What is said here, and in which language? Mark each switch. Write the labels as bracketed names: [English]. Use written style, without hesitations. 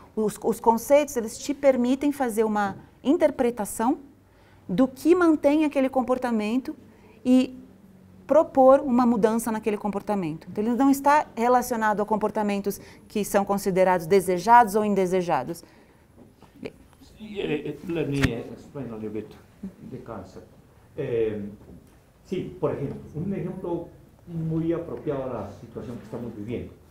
[Portuguese] Os conceitos, eles te permitem fazer uma interpretação do que mantém aquele comportamento e propor uma mudança naquele comportamento. Então, ele não está relacionado a comportamentos que são considerados desejados ou indesejados. [English] Let me explain a little bit the concept. [Portuguese] Sim, por exemplo, um exemplo muito apropriado à situação que estamos vivendo.